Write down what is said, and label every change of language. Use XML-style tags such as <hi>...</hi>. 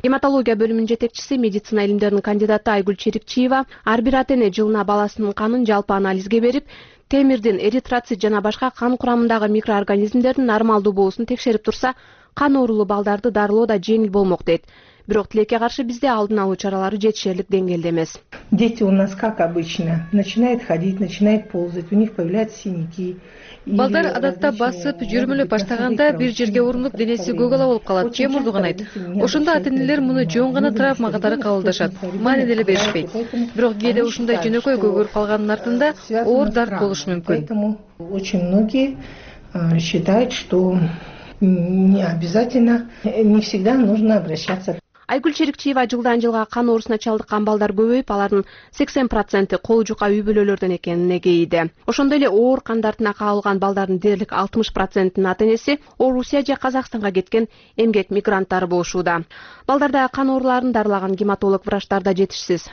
<ky>Гематология бөлүмүнүн жетекчиси, медицина илимдеринин кандидаты Айгүл Черикчиева ар бир ата эне жылына баласынын канын жалпы анализге берип, темирдин, эритроцит жана башка кан курамындагы микроорганизмдердин нормалдуу болуусун текшерип турса, кан оорулуу балдарды дарылоо да жеңил болмок дейт. Бирок тилекке каршы бизде алдын алуу чаралары жетишерлик деңгээлде эмес.</ky> <ru>Дети у нас как обычно начинают ходить, начинают ползать, у них появляются синяки.</ru> <ky>Балдар адатта басып, жүрмөлөп баштаганда бир жерге урунуп денеси көк ала болуп калат, же мурду канайт. Ошондо ата энелер муну жөн гана травма катары кабылдашат, маани деле беришпейт. Бирок кээде ушундай жөнөкөй көгөрүп калганын артында оор дарт болушу мүмкүн.</ky> <ru>Поэтому очень многие считают, что не обязательно, не всегда нужно обращаться.</ru> <ky>Айгүл Черикчиева жылдан жылга кан оорусуна чалдыккан балдар көбөйүп, алардын 80% кол жука үй бүлөлөрдөн экенине кейиде. Ошондой эле оор кан дартына кабылган балдардын дээрлик 60%нын ата энеси оор Русия же Казакстанга кеткен эмгек мигранттары болушууда. Балдарда кан ооруларын дарылаган гематолог врачтар да жетишсиз.</ky>